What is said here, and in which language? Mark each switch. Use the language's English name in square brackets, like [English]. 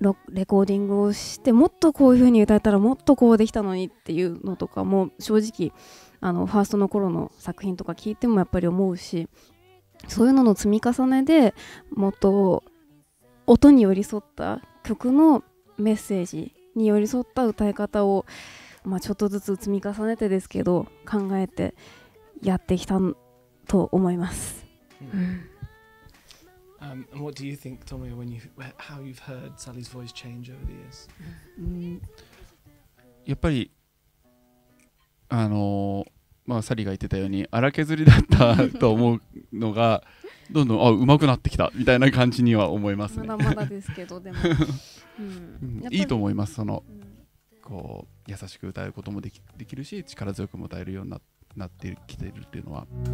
[Japanese] レコーディングをして、もっとこういう風に歌えたらもっとこうできたのにっていうのとかも正直ファーストの頃の作品とか聞いてもやっぱり思うし、そういうのの積み重ねでもっと音に寄り添った曲のメッセージに寄り添った歌い方を、まあ、ちょっとずつ積み重ねてですけど考えてやってきたと思います。 [English] What do you think, Tomoya, when you how you've heard Sally's voice change over the years? [Japanese] やっぱりまあ、サリーが言ってたように荒削りだったと思うのがどんどんあ上手くなってきたみたいな感じには思いますね。まだまだですけどでも、うん、いいと思います。その、うん、こう優しく歌うこともできるし、力強くも歌えるようになってきてるっていうのは、